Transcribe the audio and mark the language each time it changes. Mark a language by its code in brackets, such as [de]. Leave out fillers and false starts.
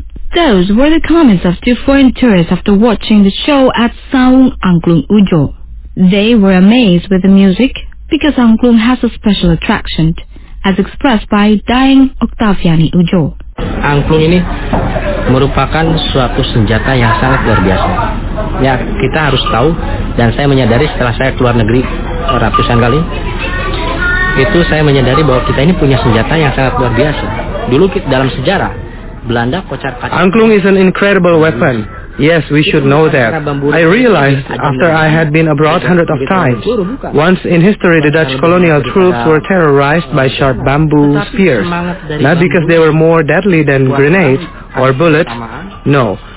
[en] Those were the comments of two foreign tourists after watching the show at Saung Angklung Ujo. They were amazed with the music, because angklung has a special attraction, as expressed by Daeng Octaviani Ujo. [id] Angklung ini merupakan suatu senjata yang sangat luar biasa. Ya, kita harus tahu, dan saya menyadari setelah saya keluar negeri ratusan kali, itu saya menyadari bahwa kita ini punya senjata yang sangat luar biasa. Dulu dalam sejarah, Belanda kocar-kacir. [en] Angklung is an incredible weapon. Yes, we should know that. I realized after I had been abroad hundreds of times. Once in history, the Dutch colonial troops were terrorized by sharp bamboo spears. Not because they were more deadly than grenades or bullets, no.